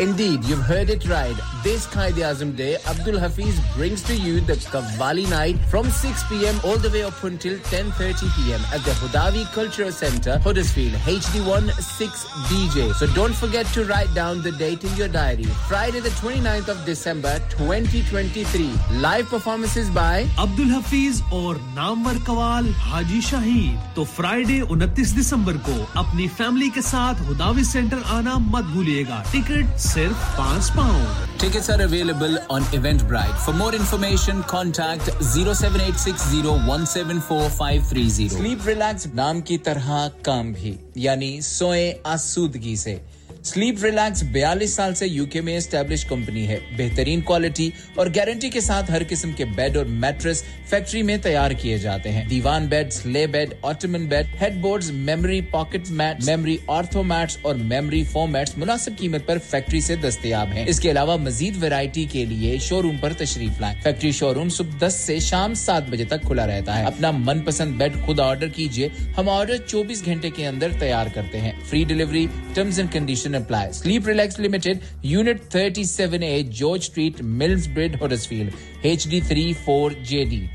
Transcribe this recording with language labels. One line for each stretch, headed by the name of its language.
English: indeed you have heard it right this Quaid-e-Azam day Abdul Hafeez brings to you the qawwali night from 6 PM all the way up until 10:30 PM at the Hudawi cultural centre Huddersfield HD16DJ so don't forget to write down the date in your diary Friday the 29th of December 2023 live performances by
Hindi: Abdul Hafeez और नामवर कवाल हाजी शाहीद तो Friday 29 दिसंबर को अपनी family के साथ हुदावी centre आना मत भूलिएगा ticket सिर्फ £5
English: Tickets are available on Eventbrite. For more information, contact 07860174530.
Hindi: Sleep relaxed naam ki tarha kaam bhi yani soye asudgi se Sleep Relax 42 साल से UK में established company है. बेहतरीन quality और guarantee के साथ हर किस्म के bed और mattress factory में तैयार किए जाते हैं. Divan beds, lay bed, ottoman bed, headboards, memory pocket mats, memory ortho mats और memory foam mats मुनासिब कीमत पर factory से दस्तयाब हैं. इसके अलावा मजीद variety के लिए showroom पर तशरीफ लाएं. Factory showroom सुबह 10 से शाम 7 बजे तक खुला रहता है. अपना मनपसंद bed खुद order कीजिए. हम order 24 घंटे के अंदर तैयार करते हैं.
English: Free delivery, terms and conditions restriction apply. Sleep Relax Limited, Unit 37A, George Street, Millsbridge, Huddersfield, HD34JD.